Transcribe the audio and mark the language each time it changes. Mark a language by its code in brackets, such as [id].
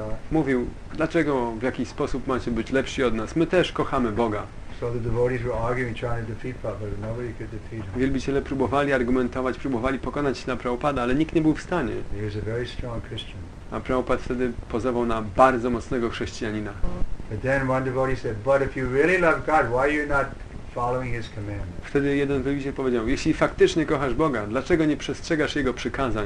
[pl] Mówił, dlaczego w jakiś sposób macie być lepsi od nas? My też kochamy Boga. [en] So the devotees were arguing, trying to defeat Prabhupada, but nobody could defeat him. [pl] Wielbiciele próbowali argumentować, próbowali pokonać się na Prabhupada, ale nikt nie był w stanie. [en] He was a very strong Christian. [pl] A Prabhupada wtedy pozował na bardzo mocnego chrześcijanina. [en] But then one devotee said, but if you really love God, why are you not following his commandments? [pl] Wtedy jeden wielbiciel powiedział, jeśli faktycznie kochasz Boga, dlaczego nie przestrzegasz Jego przykazań?